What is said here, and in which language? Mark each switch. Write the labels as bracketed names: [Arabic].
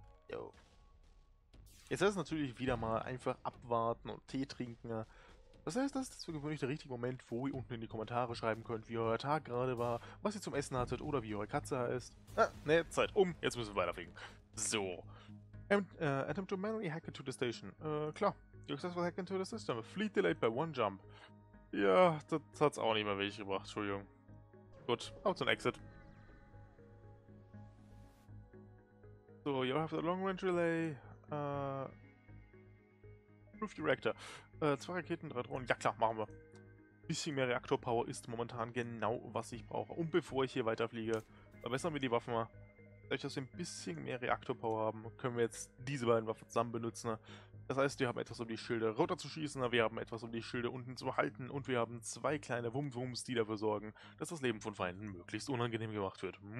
[German] Yo. Jetzt ist es natürlich wieder mal einfach abwarten und Tee trinken. Das heißt, das ist für gewöhnlich der richtige Moment, wo ihr unten in die Kommentare schreiben könnt, wie euer Tag gerade war, was ihr zum Essen hattet oder wie eure Katze heißt. Ne, Zeit um. Jetzt müssen wir weiterfliegen. So. [English] Attempt to manually hack into the station. [German] Klar. [English] You successfully hack into the system. Fleet delayed by one jump. [German] Ja, das hat's auch nicht mehr wirklich gebracht. Entschuldigung. Gut, auf zum Exit. [English] So, you have the long range relay. Proof the reactor. [German] Zwei Raketen, drei Drohnen. Ja klar, machen wir. Bisschen mehr Reaktorpower ist momentan genau, was ich brauche. Und bevor ich hier weiterfliege, verbessern wir die Waffen mal. Dadurch, dass wir ein bisschen mehr Reaktorpower haben, können wir jetzt diese beiden Waffen zusammen benutzen. Das heißt, wir haben etwas, um die Schilde runterzuschießen, wir haben etwas, um die Schilde unten zu halten und wir haben zwei kleine Wumms, die dafür sorgen, dass das Leben von Feinden möglichst unangenehm gemacht wird.